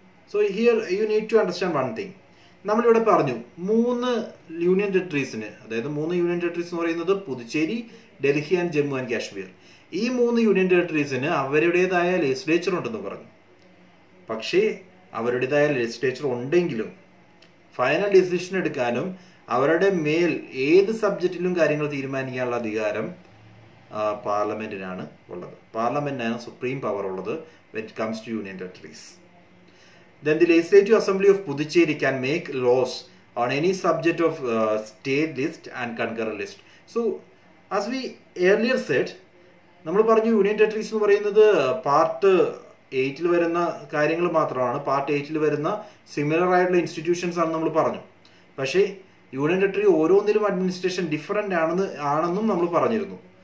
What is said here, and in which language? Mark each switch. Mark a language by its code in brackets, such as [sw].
[en] So here you need to understand one thing. [ml] നമ്മളിവിടെ പറഞ്ഞു മൂന്ന് യൂണിയൻ ടെറിട്ടറീസിന്, അതായത് മൂന്ന് യൂണിയൻ ടെറിട്ടറീസ് എന്ന് പറയുന്നത് പുതുച്ചേരി, ഡൽഹി ആൻഡ് ജമ്മു ആൻഡ് കാശ്മീർ, ഈ മൂന്ന് യൂണിയൻ ടെറിട്ടറീസിന് അവരുടേതായ ലെജിസ്ലേച്ചർ ഉണ്ടെന്ന് പറഞ്ഞു. പക്ഷേ അവരുടേതായ ലെജിസ്ലേച്ചർ ഉണ്ടെങ്കിലും ഫൈനൽ ഡിസിഷൻ എടുക്കാനും അവരുടെ മേൽ ഏത് സബ്ജക്റ്റിലും കാര്യങ്ങൾ തീരുമാനിക്കാനുള്ള അധികാരം പാർലമെൻറ്റിനാണ് ഉള്ളത്. പാർലമെൻറ്റിനാണ് സുപ്രീം പവർ ഉള്ളത് [en] When it comes to union territories. Then the Legislative Assembly of Puducherry can make laws on any subject of state list and concurrent list. So, as we earlier said, [ml] നമ്മൾ പറഞ്ഞു union territories എന്ന് പറയുന്നത് part എയ്റ്റിൽ വരുന്ന കാര്യങ്ങൾ മാത്രമാണ്, part എയ്റ്റിൽ വരുന്ന similar ആയിട്ടുള്ള institutions ആണ് നമ്മൾ പറഞ്ഞു. പക്ഷേ യൂണിയൻ ടെറിട്ടറി ഓരോന്നിലും അഡ്മിനിസ്ട്രേഷൻ ഡിഫറൻ്റ് ആണെന്നും നമ്മൾ പറഞ്ഞിരുന്നു.